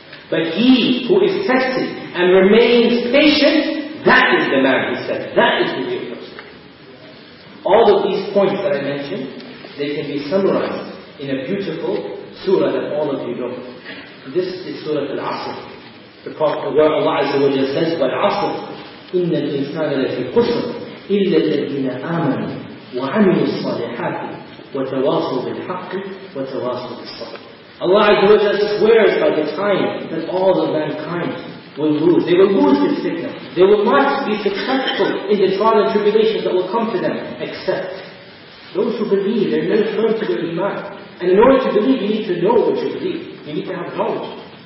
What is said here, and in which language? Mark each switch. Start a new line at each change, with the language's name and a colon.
English: But he who is tested and remains patient, that is the man, he said. That is the real person. All of these points that I mentioned, they can be summarized in a beautiful surah that all of you know. This is Surah Al-Asr. The Prophet, where Allah Azza wa Jalla says,
Arabic: وَالْعَصْرِ إِنَّ الْإِنسَانَ لَفِي خُسْرٍ إِلَّا الَّذِينَ آمَنُوا وَعَمِلُوا الصَّالِحَاتِ وَتَوَاصَوْا بِالْحَقِّ وَتَوَاصَوْا بِالصَّبْرِ.
English: Allah Azza wa Jalla swears by the time that all of mankind will lose. They will lose this fitna. They will not be successful in the trial and tribulations that will come to them, except those who believe, they're never firm to their iman. And in order to believe, you need to know what you believe. You need to have knowledge.